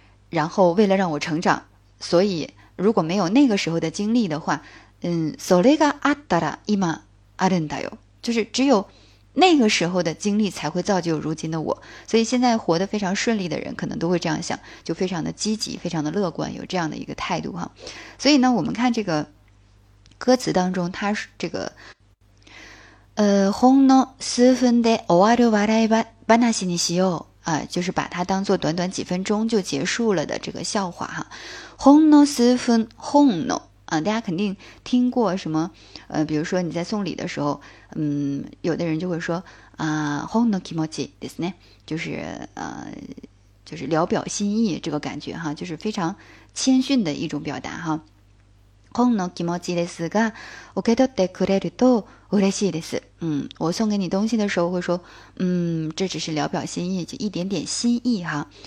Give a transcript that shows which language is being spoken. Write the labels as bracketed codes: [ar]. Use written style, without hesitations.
[zh] 然后为了让我成长，所以如果没有那个时候的经历的话， [ja] それがあったら今あるんだよ， [zh] 就是只有那个时候的经历才会造就如今的我。所以现在活得非常顺利的人，可能都会这样想，就非常的积极，非常的乐观，有这样的一个态度哈。所以呢，我们看这个歌词当中，它是这个。 [ja] ほんの数分で終わる笑い話にしよう。 [zh] 就是把它当作短短几分钟就结束了的这个笑话哈。ほんの数分、ほんの。大家肯定听过什么，比如说你在送礼的时候，有的人就会说啊， [ja] ほんの気持ちですね， [zh] 就是聊表心意这个感觉哈，就是非常谦逊的一种表达哈。 [ja] 本の気持ちですが、受け取ってくれると嬉しいです。 [zh] 我送给你东西的时候会说，这只是聊表心意，就一点点心意哈。